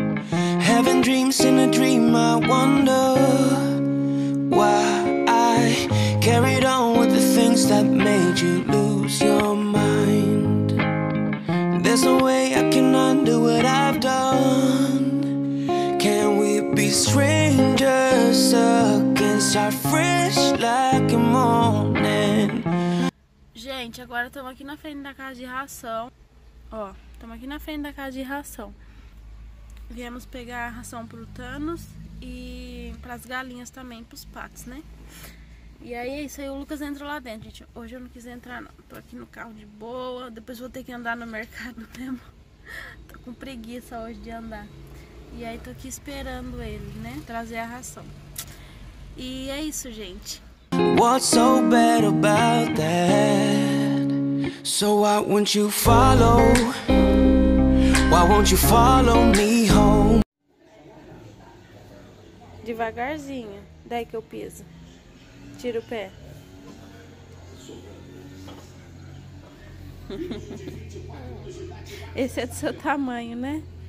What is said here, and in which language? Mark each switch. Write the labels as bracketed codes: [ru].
[en] Having dreams in a dream, I wonder why I carried on with the things that made you lose your mind. There's no way I can undo what I've done. Can we be strangers again? Start fresh like a morning. [pt] Gente, agora estamos aqui na frente da casa de ração. Ó, estamos aqui na frente da casa de ração. Viemos pegar a ração para o Thanos e para as galinhas também, para os patos, né? E aí é isso aí, o Lucas entrou lá dentro, gente. Hoje eu não quis entrar, não. Tô aqui no carro de boa. Depois vou ter que andar no mercado mesmo. Tô com preguiça hoje de andar. E aí tô aqui esperando ele, né? Trazer a ração. E é isso, gente. [en] What's so bad about that? So why won't you follow? Why won't you follow me home? [pt] Devagarzinho, daí que eu piso. Tira o pé. Esse é do seu tamanho, né?